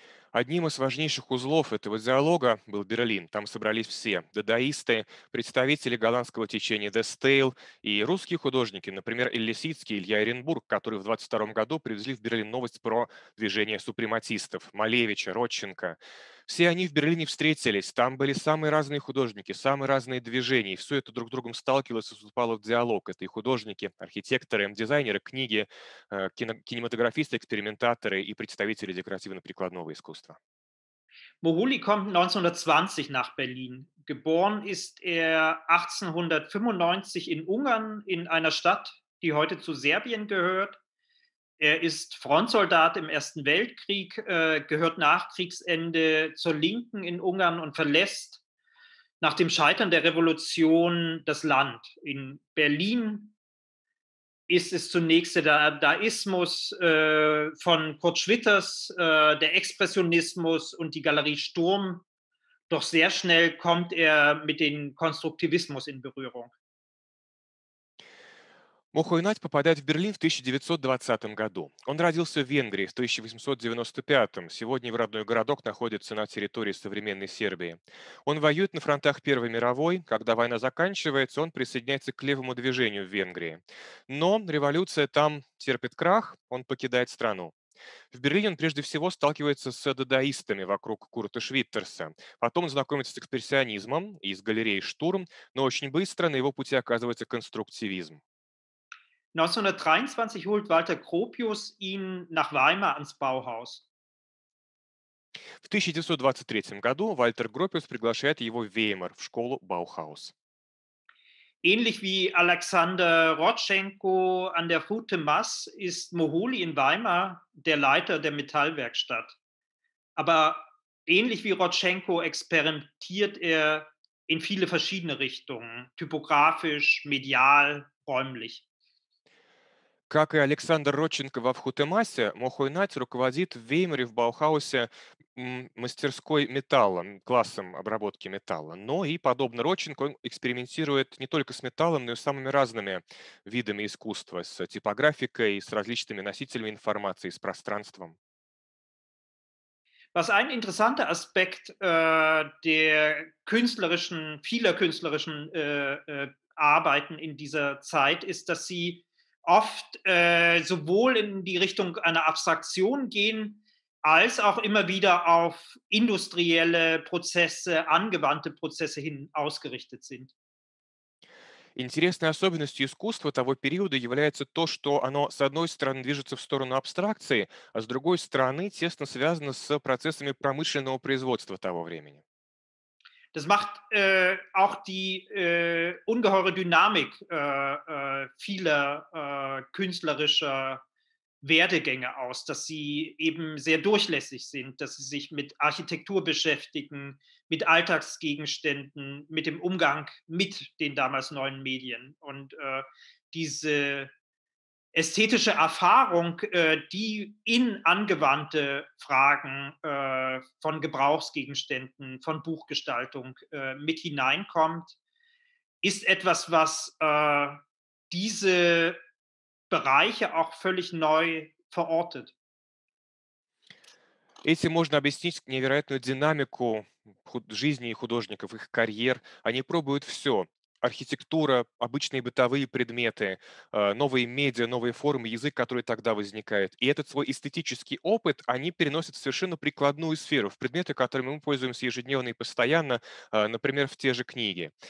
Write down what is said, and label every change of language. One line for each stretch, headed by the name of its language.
Russian: Одним из важнейших узлов этого диалога был Берлин. Там собрались все – дадаисты, представители голландского течения «The Style» и русские художники, например, Элисицкий и Илья Эренбург, которые в 1922 году привезли в Берлин новость про движение супрематистов – Малевича, Родченко. Все они в Берлине встретились, там были самые разные художники, самые разные движения, и все это друг с другом сталкивалось и вступало в диалог. Это и художники, архитекторы, дизайнеры, книги, кинематографисты, экспериментаторы и представители декоративно-прикладного искусства.
German: Mohuli kommt 1920 nach Berlin. Geboren ist er 1895 in Ungarn, in einer Stadt, die heute zu Serbien gehört. Er ist Frontsoldat im Ersten Weltkrieg, gehört nach Kriegsende zur Linken in Ungarn und verlässt nach dem Scheitern der Revolution das Land. In Berlin ist es zunächst der Dadaismus von Kurt Schwitters, der Expressionismus und die Galerie Sturm. Doch sehr schnell kommt er mit dem Konstruktivismus in Berührung.
Russian: Мохуйнать попадает в Берлин в 1920 году. Он родился в Венгрии в 1895-м. Сегодня его родной городок находится на территории современной Сербии. Он воюет на фронтах Первой мировой. Когда война заканчивается, он присоединяется к левому движению в Венгрии. Но революция там терпит крах, он покидает страну. В Берлине он прежде всего сталкивается с дадаистами вокруг Курта Швиттерса. Потом он знакомится с экспрессионизмом и с галереей «Штурм», но очень быстро на его пути оказывается конструктивизм.
German: 1923 holt Walter Gropius ihn nach Weimar ans Bauhaus.
Russian: В 1923 году Вальтер Гропиус приглашает его в Веймар, в школу Bauhaus.
German: Ähnlich wie Alexander Rodchenko an der Rote Mass ist Mohuli in Weimar der Leiter der Metallwerkstatt. Aber ähnlich wie Rodchenko experimentiert er in viele verschiedene Richtungen, typografisch, medial, räumlich.
Russian: Как и Александр Родченко во Вхутемасе, Мохуйнать руководит в Веймаре в Баухаусе мастерской металла, классом обработки металла. Но и, подобно Родченко, он экспериментирует не только с металлом, но и с самыми разными видами искусства, с типографикой, с различными носителями информации, с пространством.
German: Was ein interessanter Aspekt der künstlerischen, vieler künstlerischen Arbeiten in dieser Zeit ist, dass sie oft sowohl in die Richtung einer Abstraktion gehen, als auch immer wieder auf industrielle Prozesse, angewandte Prozesse hin ausgerichtet sind.
Russian: Интересной особенностью искусства того периода является то, что оно, с одной стороны, движется в сторону абстракции, а с другой стороны, тесно связано с процессами промышленного производства того времени.
German: Das macht auch die ungeheure Dynamik vieler künstlerischer Werdegänge aus, dass sie eben sehr durchlässig sind, dass sie sich mit Architektur beschäftigen, mit Alltagsgegenständen, mit dem Umgang mit den damals neuen Medien. Und diese ästhetische Erfahrung, die in angewandte Fragen von Gebrauchsgegenständen, von Buchgestaltung mit hineinkommt, ist etwas, was diese Bereiche auch völlig neu verortet.
Russian: Этим можно объяснить невероятную динамику жизни художников, их карьер. Они пробуют все. Архитектура, обычные бытовые предметы, новые медиа, новые формы, язык, который тогда возникает. И этот свой эстетический опыт они переносят в совершенно прикладную сферу, в предметы, которыми мы пользуемся ежедневно и постоянно, например, в те же книги.